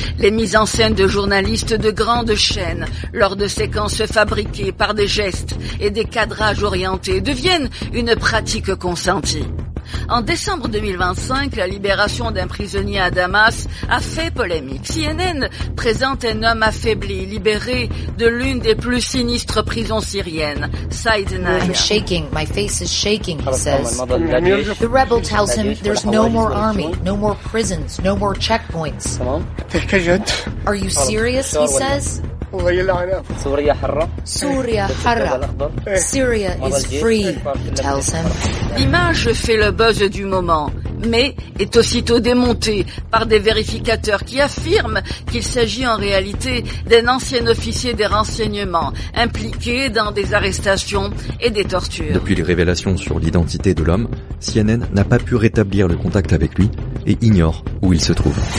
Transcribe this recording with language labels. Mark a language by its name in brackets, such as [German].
[French] Les mises en scène de journalistes de grandes chaînes lors de séquences fabriquées par des gestes et des cadrages orientés deviennent une pratique consenti. En décembre 2025, la libération d'un prisonnier à Damas a fait polémique. CNN présente un homme affaibli, libéré de l'une des plus sinistres prisons syriennes, Saïd Naya. [English] I'm shaking, my face is shaking, he says. The rebel tells him there's no more army, no more prisons, no more checkpoints. Are you serious, he says? [Arabic] Suria Harra. [English] Syria is free, he tells him. [French] L'image fait le buzz du moment. mais est aussitôt démonté par des vérificateurs qui affirment qu'il s'agit en réalité d'un ancien officier des renseignements impliqué dans des arrestations et des tortures. Depuis les révélations sur l'identité de l'homme, CNN n'a pas pu rétablir le contact avec lui et ignore où il se trouve.